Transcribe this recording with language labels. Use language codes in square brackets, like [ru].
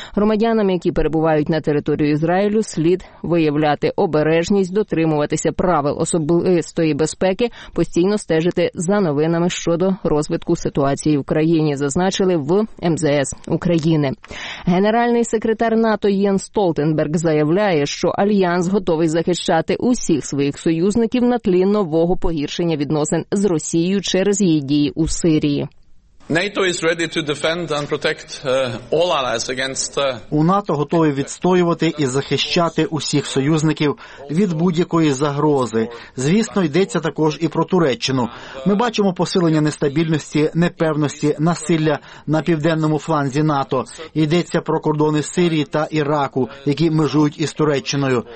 [uk] Громадянам, які перебувають на територію Ізраїлю, слід виявляти обережність, дотримуватися правил особистої безпеки, постійно стежити за новинами щодо розвитку ситуації в Україні, зазначили в МЗС України. Генеральний секретар НАТО Єнс Столтенберг заявляє, що Альянс готовий захищати усіх своїх союзників на тлі нового погіршення відносин з Росією через її дії у Сирії. [en] NATO is ready to defend and protect all allies against [uk] У НАТО готові відстоювати і захищати усіх союзників від будь-якої загрози. Звісно, йдеться також і про Туреччину. Ми бачимо посилення нестабільності, непевності, насилля на південному фланзі НАТО. Йдеться про кордони Сирії та Іраку, які межують із Туреччиною.